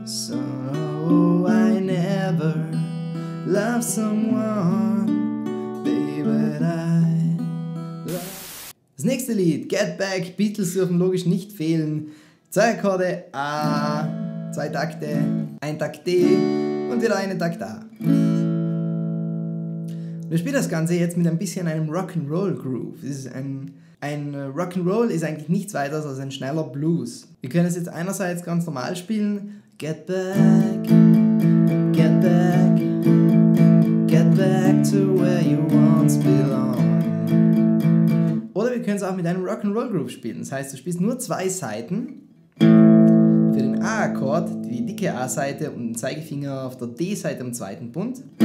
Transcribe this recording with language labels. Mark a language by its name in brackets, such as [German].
[English] So I never love someone, babe, but I love. [German] Das nächste Lied, Get Back, Beatles dürfen logisch nicht fehlen. Zwei Akkorde A, zwei Takte, ein Takt D und wieder eine Takt A. Wir spielen das Ganze jetzt mit ein bisschen einem Rock'n'Roll Groove. Das ist ein Rock'n'Roll ist eigentlich nichts weiteres als ein schneller Blues. Wir können es jetzt einerseits ganz normal spielen. [English] Get back, get back, get back to where you once belong. [German] Oder wir können es auch mit einem Rock'n'Roll Groove spielen. Das heißt, du spielst nur zwei Seiten. Für den A-Akkord, die dicke A-Seite und den Zeigefinger auf der D-Seite im zweiten Bund.